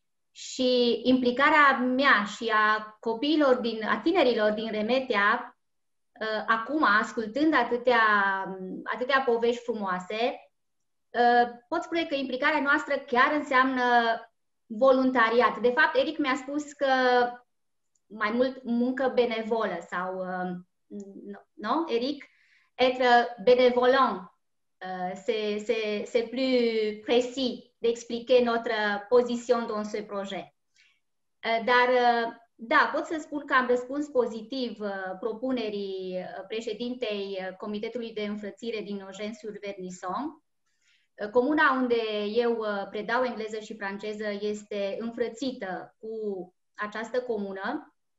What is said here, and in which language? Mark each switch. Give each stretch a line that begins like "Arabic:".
Romanian: Și implicarea mea și a copiilor, a tinerilor din Remetea, acum, ascultând atâtea povești frumoase, pot spune că implicarea noastră chiar înseamnă voluntariat. De fapt, Eric mi-a spus că mai mult muncă benevolă sau, nu, Eric?
French: Être benevolent, c'est plus précis d'expliquer notre position dans ce projet.
Romanian: Dar, da, pot să spun că am răspuns pozitiv propunerii președintei Comitetului de Înfrățire din Nogent-sur-Vernisson. Comuna unde eu predau engleză și franceză este înfrățită cu această comună.